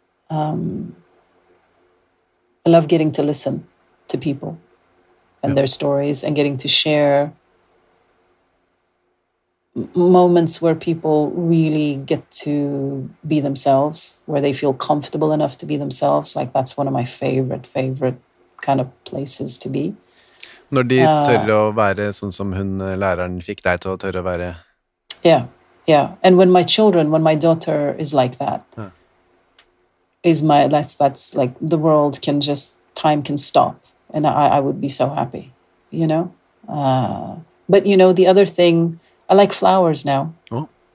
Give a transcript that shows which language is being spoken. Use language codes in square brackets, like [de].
[en] I love getting to listen to people and their stories and getting to share moments where people really get to be themselves, where they feel comfortable enough to be themselves. Like that's one of my favorite kind of places to be. [no] Når de tør å være sånn som hun, læreren, fikk deg til å tørre å være. [en] Yeah, yeah. And when my children, when my daughter is like that, is my, that's like the world can just, time can stop. And I would be so happy, you know? But, you know, the other thing, I like flowers now. Oh.